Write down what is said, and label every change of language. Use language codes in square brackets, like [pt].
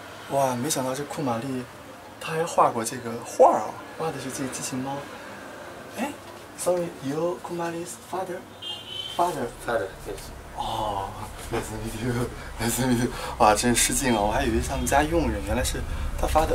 [zh] 哇，没想到这库玛丽他还画过这个画啊，画的是这个机器猫。 [en] 哎 ，Sorry, you Kumali's father? Father? Father, yes. 哦 ，Nice to meet you, nice to meet you. [zh] 哇，真失敬啊，我还以为他们家佣人，原来是他 father。